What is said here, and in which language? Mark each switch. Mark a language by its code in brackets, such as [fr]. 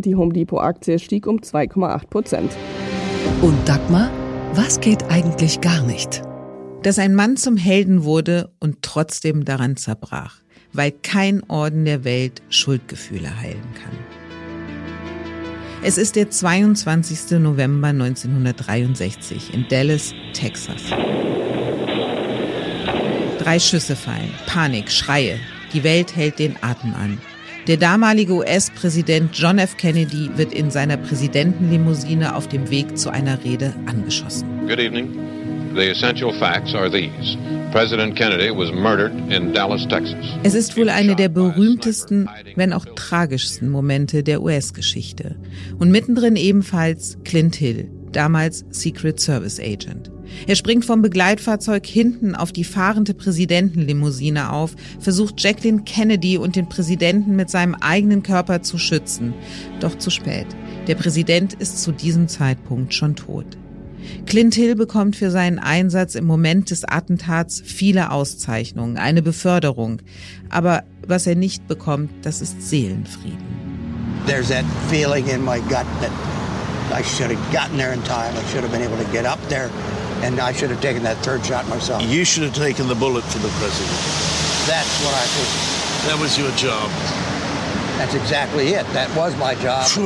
[de] Die Home Depot-Aktie stieg um 2,8%. Und Dagmar, was geht eigentlich gar nicht? Dass ein Mann zum Helden wurde und trotzdem daran zerbrach, weil kein Orden der Welt Schuldgefühle heilen kann. Es ist der 22. November 1963 in Dallas, Texas. Drei Schüsse fallen, Panik, Schreie. Die Welt hält den Atem an. Der damalige US-Präsident John F. Kennedy wird in seiner Präsidentenlimousine auf dem Weg zu einer Rede angeschossen. [en] Good evening. The essential facts are these. President Kennedy was murdered in Dallas, Texas. [de] Es ist wohl eine der berühmtesten, wenn auch tragischsten Momente der US-Geschichte. Und mittendrin ebenfalls Clint Hill, damals Secret Service Agent. Er springt vom Begleitfahrzeug hinten auf die fahrende Präsidentenlimousine auf, versucht Jacqueline Kennedy und den Präsidenten mit seinem eigenen Körper zu schützen. Doch zu spät. Der Präsident ist zu diesem Zeitpunkt schon tot. Clint Hill bekommt für seinen Einsatz im Moment des Attentats viele Auszeichnungen, eine Beförderung. Aber was er nicht bekommt, das ist Seelenfrieden. [en] There's that feeling in my gut that I should have gotten there in time. I should have been able to get up there and I should have taken that third shot myself. You should have taken the bullet for the president. That's what I think. That was your job. That's exactly it. That was my job.